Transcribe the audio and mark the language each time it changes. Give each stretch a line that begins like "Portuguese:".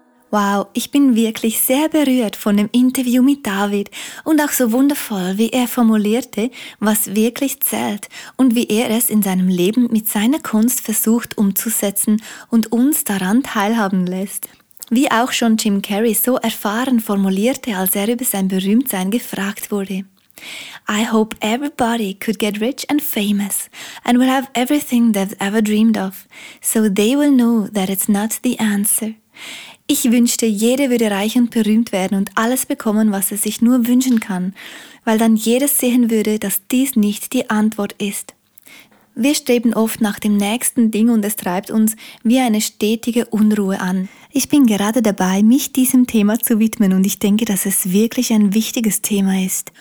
German: Wow, ich bin wirklich sehr berührt von dem Interview mit David und auch so wundervoll, wie er formulierte, was wirklich zählt und wie er es in seinem Leben mit seiner Kunst versucht umzusetzen und uns daran teilhaben lässt. Wie auch schon Jim Carrey so erfahren formulierte, als er über sein Berühmtsein gefragt wurde.
English: I hope everybody could get rich and famous and will have everything they've ever dreamed of, so they will know that it's not the answer.
German: Ich wünschte, jeder würde reich und berühmt werden und alles bekommen, was er sich nur wünschen kann, weil dann jeder sehen würde, dass dies nicht die Antwort ist. Wir streben oft nach dem nächsten Ding und es treibt uns wie eine stetige Unruhe an. Ich bin gerade dabei, mich diesem Thema zu widmen und ich denke, dass es wirklich ein wichtiges Thema ist.